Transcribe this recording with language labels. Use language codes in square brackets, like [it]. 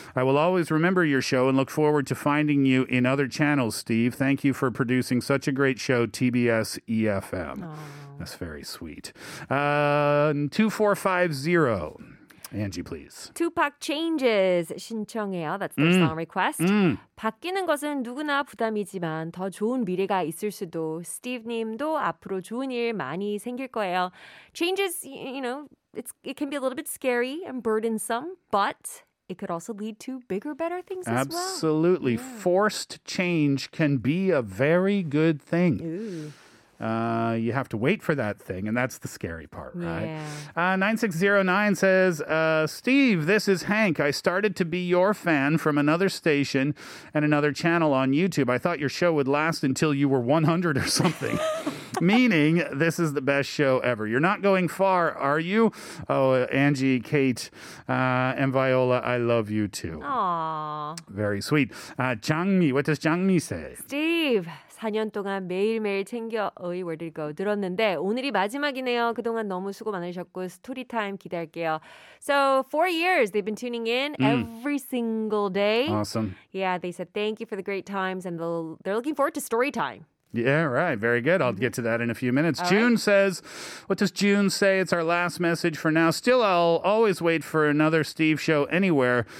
[en] I will always remember your show and look forward to finding you in other channels, Steve. Thank you for producing such a great show, TBS EFM. Aww. That's very sweet. 2450. Angie, please. Tupac Changes [ko] 신청해요. [en] That's their song request. Mm. [ko] 바뀌는 것은 누구나 부담이지만 더 좋은 미래가 있을 수도 스티브님도 앞으로 좋은 일 많이 생길 거예요. [en] Changes, you know, it can be a little bit scary and burdensome, but it could also lead to bigger, better things as Absolutely. Absolutely. Yeah. Forced change can be a very good thing. Ooh. You have to wait for that thing, and that's the scary part, right? Yeah. 9609 says, Steve, this is Hank. I started to be your fan from another station and another channel on YouTube. I thought your show would last until you were 100 or something. Meaning, this is the best show ever. You're not going far, are you? Oh, Angie, Kate, and Viola, I love you too. Aww. Very sweet. Changmi, what does Changmi say? [ko] Steve, 4년 동안 매일매일 챙겨 의 월드고 들었는데 오늘이 마지막이네요. 그동안 너무 수고 많으셨고 스토리 타임 기대할게요. [en] So 4 years they've been tuning in every single day. Awesome. Yeah, they said thank you for the great times and they're looking forward to story time. Yeah, right. Very good. I'll get to that in a few minutes. June says, what does June say? It's our last message for now. Still, I'll always wait for another Steve show anywhere.